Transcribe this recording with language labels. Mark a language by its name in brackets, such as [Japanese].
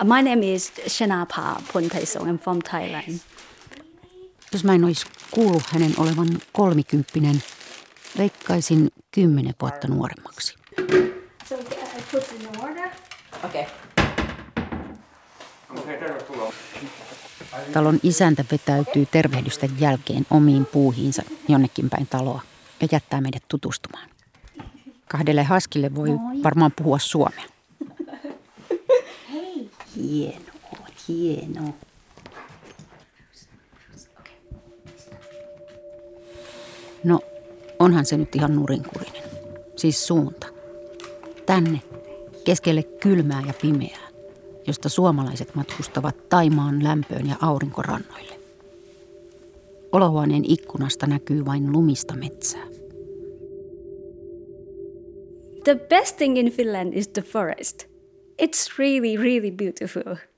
[English] My name is Shenapa Pontaisong. I'm from Thailand. [Finnish] Jos mä en olisi kuullut hänen olevan kolmikymppinen, veikkaisin 10 vuotta nuoremmaksi. [English] So, I put it in the water. Okay. [Finnish] Talon isäntä vetäytyy tervehdysten jälkeen omiin puuhiinsa jonnekin päin taloa ja jättää meidät tutustumaan. Kahdelle haskille voi varmaan puhua suomea. Hei, hieno. No, onhan se nyt ihan nurinkurinen. Siis suunta. Tänne, keskelle kylmää ja pimeää, josta suomalaiset matkustavat Thaimaan lämpöön ja aurinkorannoille. Olohuoneen ikkunasta näkyy vain lumista metsää. [English] The best thing in Finland is the forest. It's really, really beautiful.